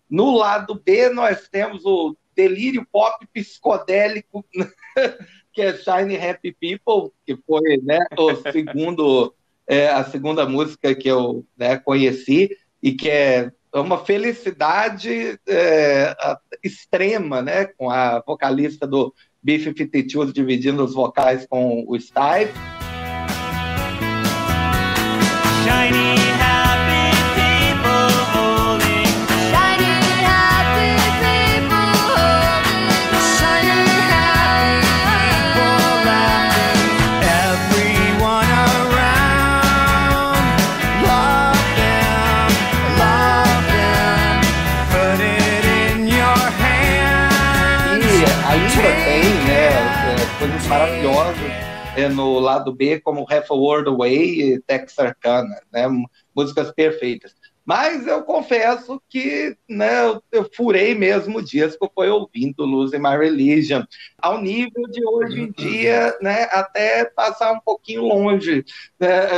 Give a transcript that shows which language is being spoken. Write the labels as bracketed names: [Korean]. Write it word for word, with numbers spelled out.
[Portuguese] No lado B nós temos o delírio pop psicodélico, que é Shiny Happy People, que foi, né, o segundo, é, a segunda música que eu, né, conheci. E que é uma felicidade é, extrema, né? Com a vocalista do Beef cinquenta e dois dividindo os vocais com o Stipe. [English] Shiny happy people holding, shiny happy people holding, shiny happy people laughing, everyone around, love them, love them, put it in your hands. [Portuguese] E ainda tem, né, coisas maravilhosas no lado B, como Half a World Away e Texarkana, né? Músicas perfeitas. Mas eu confesso que, né, eu, eu furei mesmo o disco, foi ouvindo Losing My Religion, ao nível de hoje em dia, né, até passar um pouquinho longe. Né?